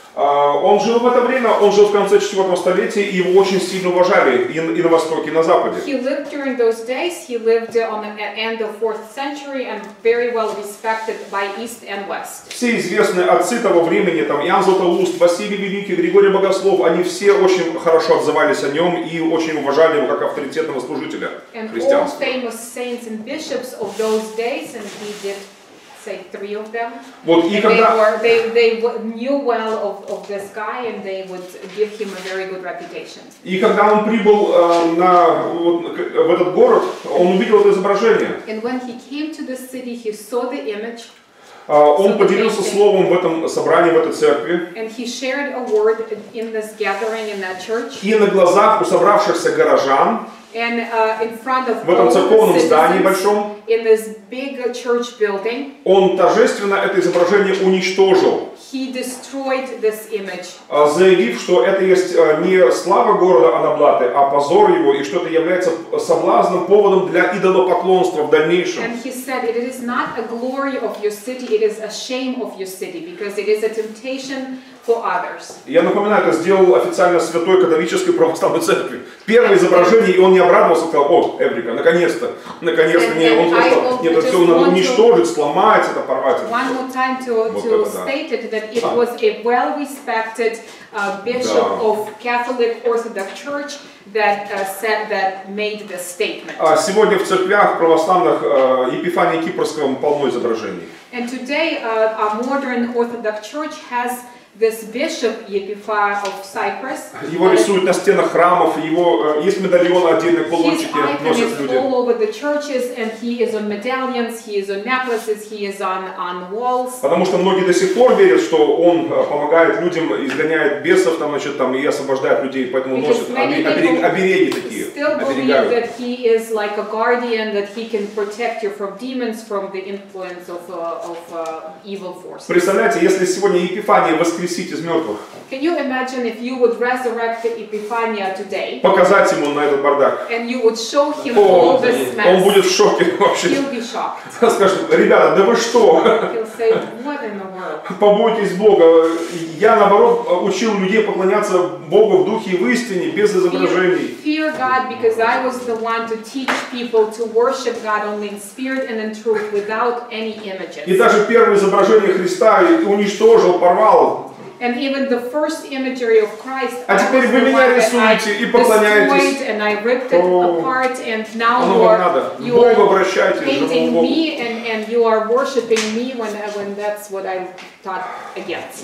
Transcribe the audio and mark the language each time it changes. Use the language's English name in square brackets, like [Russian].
[Russian] Он жил в это время, он жил в конце 4-го столетия, и его очень сильно уважали и на Востоке, и на Западе. [English] He lived during those days, he lived on the end of 4th century and very well respected by East and West. [Russian] Все известные отцы того времени, там Иоанн Златоуст, Василий Великий, Григорий Богослов, они все очень хорошо отзывались о нем и очень уважали его как авторитетного служителя христианства. [English] And all famous saints and bishops of those days, and he did say three of them. They knew well of this guy and they would give him a very good reputation. [Russian] И когда он прибыл в этот город, он увидел это изображение. [English] And when he came to the city, he saw the image. [Russian] Он поделился словом в этом собрании, в этой церкви. [English] And he shared a word in this gathering in that church. [Russian] И на глазах у собравшихся горожан. [English] And in front of [Russian] в этом церковном здании большом [English] in this big church building, [Russian] он торжественно это изображение уничтожил, [English] he destroyed this image, [Russian] заявив, что это есть не слава города Анаблаты, а позор его, и что это является соблазном, поводом для идолопоклонства в дальнейшем. [English] And he said it is not a glory of your city, it is a shame of your city, because it is a temptation for others. [Russian] Я напоминаю, это сделал официально святой католической православной церкви. Первое изображение, и он не обрадовался, сказал, о, Эврика, наконец-то, не, он просто, нет, это все надо уничтожить, сломать, это порвать. [English] One more time to state it, that it was a well-respected bishop of Catholic Orthodox Church that said that, made the statement. [Russian] Сегодня в церквях православных Епифания Кипрского полно изображений. [English] And today our modern Orthodox Church has this bishop Epiphar of Cyprus. [Russian] Его рисуют на стенах храмов, его есть медальоны отдельные, колончики носят люди. [English] He's all over the churches, and he is on medallions, he is on necklaces, he is on walls. [Russian] Потому что многие до сих пор верят, что он помогает людям, изгоняет бесов там, значит, там, и освобождает людей, поэтому [English] because [Russian] носят обереги такие. [English] Still believe that he is like a guardian, that he can protect you from demons, from the influence of evil forces. [Russian] Представляете, если сегодня Епифания воскресить из мертвых. [English] Can you imagine if you would resurrect Epiphania today? [Russian] Показать ему на этот бардак. [English] And you would show him all this mess. [Russian] Он будет в шоке вообще. [English] He'll be shocked. [Russian] Он скажет, ребята, да вы что? [English] He'll say, what in the world? [Russian] Побойтесь Бога. Я, наоборот, учил людей поклоняться Богу в духе и в истине, без изображений. [English] Fear God, because I was the one to teach people to worship God only in spirit and in truth, without any images. [Russian] И даже первое изображение Христа уничтожил, порвал. [English] And even the first imagery of Christ, [Russian] а теперь вы меня рисуете и поклоняетесь. [English] And I ripped it apart, and now you are painting me and you are worshiping me when that's what I taught against.